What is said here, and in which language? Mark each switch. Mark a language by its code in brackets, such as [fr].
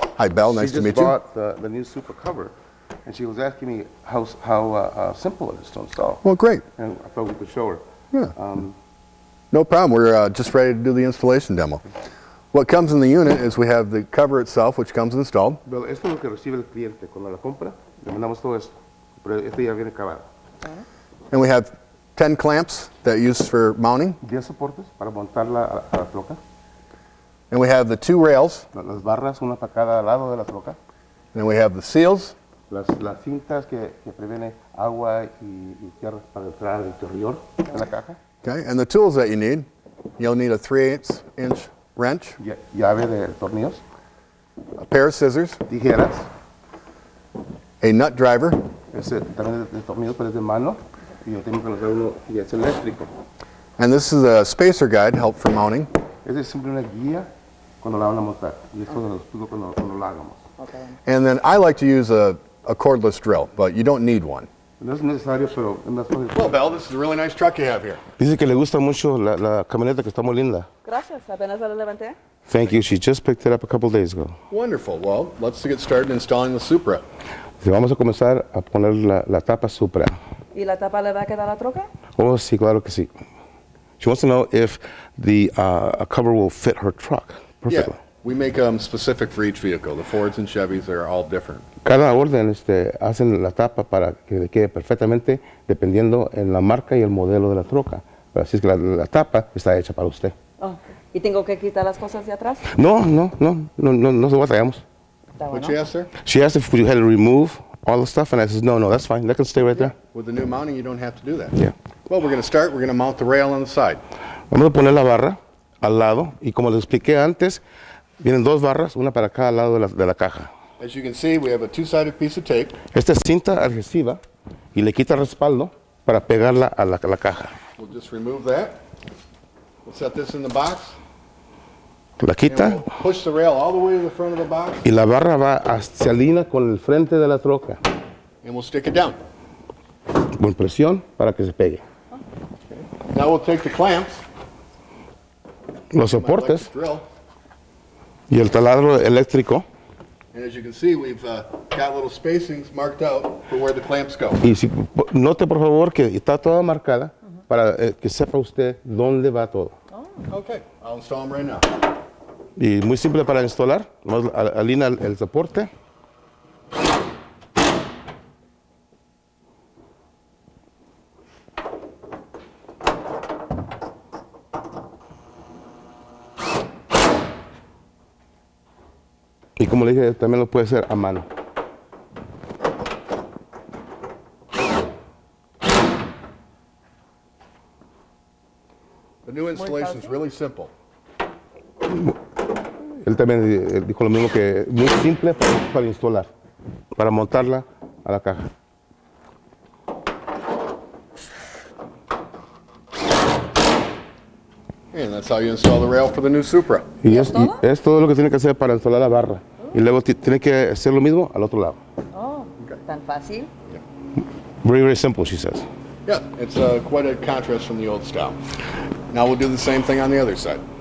[en] Hi, Belle. Nice to meet you. She just bought the new Super Cover, and she was asking me how simple it is to install. Well, great. And I thought we could show her. Yeah. No problem. We're just ready to do the installation demo. What comes in the unit is we have the cover itself, which comes installed. [es] Well, esto es lo que recibe el cliente cuando la compra. Le mandamos todo esto, pero este ya viene acabado. [en] And we have 10 clamps that are used for mounting. [es] 10 soportes para montarla a la troca. [en] And we have the two rails. [es] Las barras, una para cada lado de la troca. [en] And we have the seals. [es] Las cintas que previene agua y tierra para entrar al interior de la caja. [en] Okay, and the tools that you need. You'll need a 3/8 inch wrench. [es] Llave de tornillos. [en] A pair of scissors. [es] Tijeras. [en] A nut driver. [es] Es también de tornillos, pero es de mano. Y yo tengo que colocar uno y es eléctrico. [en] And this is a spacer guide, help for mounting. [es] Es simple una guía cuando la van a montar. Y esto lo explico cuando la hagamos. Okay. [en] And then I like to use a cordless drill, but you don't need one. [es] No es necesario, pero es más fácil. [en] Well, Belle, this is a really nice truck you have here. [es] Dice que le gusta mucho la camioneta, que está muy linda. Gracias, apenas la levanté. [en] Thank you, she just picked it up a couple days ago. Wonderful, well, let's get started installing the Supra. [es] Vamos a comenzar a poner la tapa Supra. ¿Y la tapa le va a quedar a la troca? Oh, sí, claro que sí. [en] She wants to know if the cover will fit her truck perfectly. Yeah, we make them specific for each vehicle. The Fords and Chevys are all different. [es] Cada orden hacen la tapa para que le quede perfectamente dependiendo en la marca y el modelo de la troca. Pero así es que la tapa está hecha para usted. Oh, ¿y tengo que quitar las cosas de atrás? No se batallamos. [en] What'd she ask, sir? She asked if you had to remove all the stuff, and I said, no, that's fine. That can stay right there. With the new mounting, you don't have to do that. Yeah. Well, we're going to start. We're going to mount the rail on the side. [es] Vamos a poner la barra al lado, y como les expliqué antes, vienen dos barras, una para cada lado de la caja. [en] As you can see, we have a two-sided piece of tape. [es] Esta es cinta adhesiva, y le quita respaldo para pegarla a la caja. [en] We'll just remove that. We'll set this in the box. [es] La quita. [en] We'll push the rail all the way to the front of the box. [es] Y la barra va hacia línea con el frente de la troca. [en] And we'll stick it down. [es] Con presión para que se pegue. [en] Okay. Now we'll take the clamps. [es] Los soportes. Y el taladro eléctrico. [en] And as you can see, we've got little spacings marked out for where the clamps go. [es] Y si, note por favor que está toda marcada para que sepa usted dónde va todo. [en] Okay, I'll install them right now. [es] Y muy simple para instalar. Alina el soporte. Y como le dije, también lo puede hacer a mano. [en] The new installation is really simple. [es] Él también dijo lo mismo, que muy simple para instalar, para montarla a la caja. [en] And that's how you install the rail for the new Supra. [es] Y es todo lo que tiene que hacer para instalar la barra. Y luego tiene que hacer lo mismo al otro lado. Oh, okay. Tan fácil. [en] Yeah. Very, very simple, she says. Yeah, it's quite a contrast from the old style. Now we'll do the same thing on the other side.